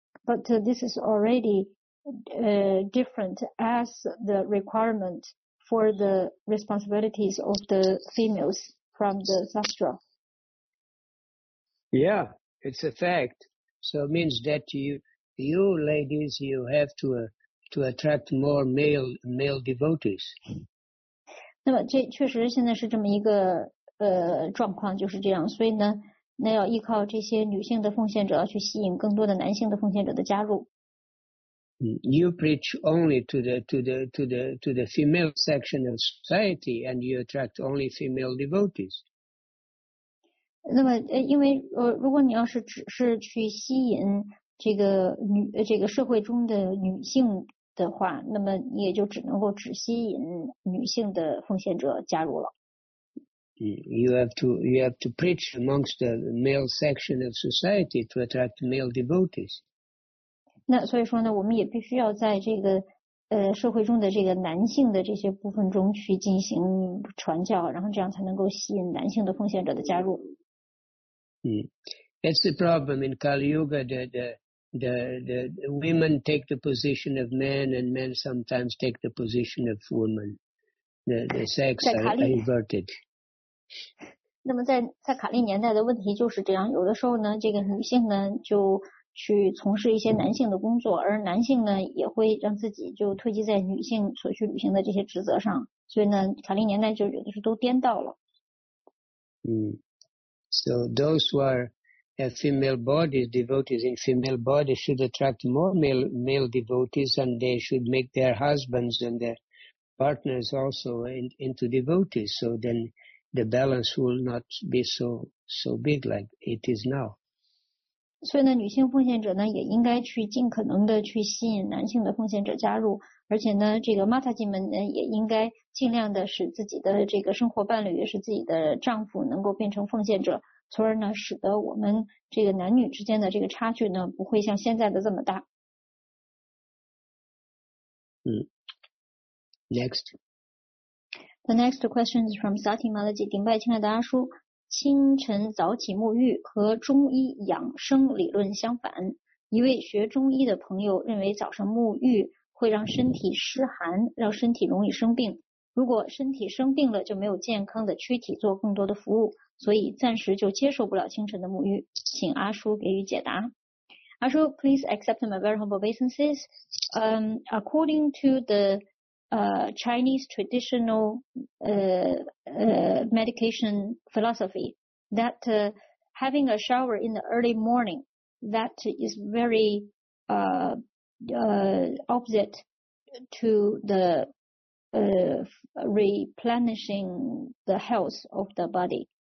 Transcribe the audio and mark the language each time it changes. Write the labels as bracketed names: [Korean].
[English] But this is already different as the requirement for the responsibilities of the females from the sastra. Yeah, it's a fact. So it means that you ladies, you have to attract more male devotees. [Chinese] 那么这确实现在是这么一个状况，就是这样。所以呢，那要依靠这些女性的奉献者去吸引更多的男性的奉献者的加入。 [English] You preach only to the female section of society, and you attract only female devotees. [Chinese] 那么，因为如果你要是只是去吸引这个社会中的女性的话，那么你也就只能够只吸引女性的奉献者加入了。 [English] You have to preach amongst the male section of society to attract male devotees. [Chinese] 那所以说呢，我们也必须要在这个社会中的这个男性的这些部分中去进行传教，然后这样才能够吸引男性的奉献者的加入。 [English] That's the problem in Kali Yuga. The women take the position of men, and men sometimes take the position of women. The sex are inverted. [Chinese] 那么在卡利年代的问题就是这样，有的时候呢，这个女性呢就去从事一些男性的工作，而男性呢也会让自己就推及在女性所去履行的这些职责上，所以呢，卡利年代就有的时候都颠倒了。 [English] 嗯 ，So those who are have female bodies, devotees in female bodies should attract more male devotees, and they should make their husbands and their partners also into devotees. So then the balance will not be so big like it is now. [Chinese] 所以呢，女性奉献者呢也应该去尽可能的去吸引男性的奉献者加入，而且呢，这个 Mataji 们呢也应该尽量的使自己的这个生活伴侣，也是自己的丈夫能够变成奉献者，从而呢使得我们这个男女之间的这个差距呢不会像现在的这么大。 [English] 嗯 ，Next。 The next question is from Sati Malaji. [Chinese] 顶拜亲爱的阿叔，清晨早起沐浴和中医养生理论相反。一位学中医的朋友认为早上沐浴会让身体湿寒，让身体容易生病。如果身体生病了，就没有健康的躯体做更多的服务，所以暂时就接受不了清晨的沐浴。请阿叔给予解答。 [English] 阿叔 ，please accept my very humble obeisances. According to the Chinese traditional medication philosophy, that having a shower in the early morning, that is very opposite to the replenishing the health of the body.